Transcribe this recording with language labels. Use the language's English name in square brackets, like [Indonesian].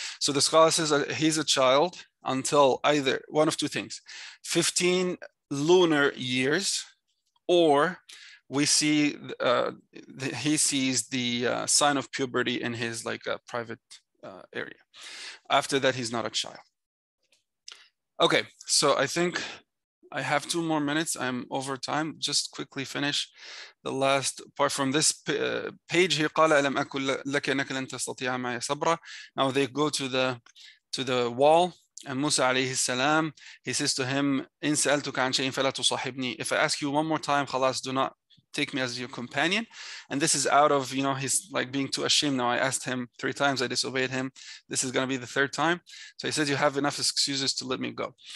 [English] So the scholar says he's a child until either one of two things, 15 lunar years, or we see, he sees the sign of puberty in his like private area. After that, he's not a child. Okay, so I think I have two more minutes. I'm over time. Just quickly finish the last part from this page here. [Arabic] قَالَ أَلَمْ أَكُلْ لَكَ أَنَكَ لَنْ تَسْتَطِيعَ مَعَيَ صَبْرًا. [English] Now they go to the wall. And Musa alayhi salam, he says to him, [Arabic] إِنْ سَأَلْتُكَ عَنْ شَيْءٍ فَلَا تُصَاحِبْنِي. [English] If I ask you one more time, خَلَاص, do not take me as your companion. And this is out of, you know, he's like being too ashamed. Now I asked him three times, I disobeyed him. This is going to be the third time. So he says, you have enough excuses to let me go.